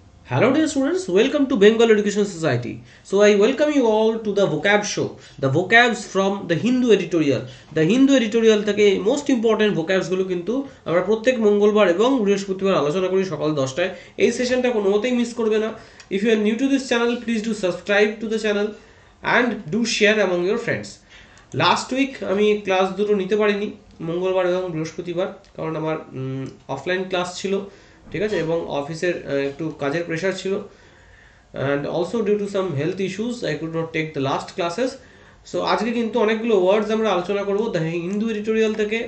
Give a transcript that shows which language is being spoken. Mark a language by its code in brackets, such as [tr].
[en] Hello dear students, welcome to Bengal Education Society. So I welcome you all to the Vocab show, the Vocabs from the Hindu Editorial. [bn] The Hindu Editorial থেকে [en] most important vocabs [bn] গুলো কিন্তু আমরা প্রত্যেক মঙ্গলবার এবং বৃহস্পতিবার আলোচনা করি সকাল 10টায়। এই সেশনটা কোনোমতেই মিস করবে না। [en] If you are new to this channel, please do subscribe to the channel and do share among your friends. Last week [bn] আমি ক্লাস দুটো নিতে পারিনি, মঙ্গলবার এবং বৃহস্পতিবার, কারণ আমার অফলাইন ক্লাস ছিল, ঠিক আছে, এবং অফিসের একটু কাজের প্রেশার ছিল। [en] And also due to some health issues I could not take the last classes. [bn] So আজকে কিন্তু অনেকগুলো ওয়ার্ডস আমরা আলোচনা করবো দ্য হিন্দু এডিটোরিয়াল থেকে।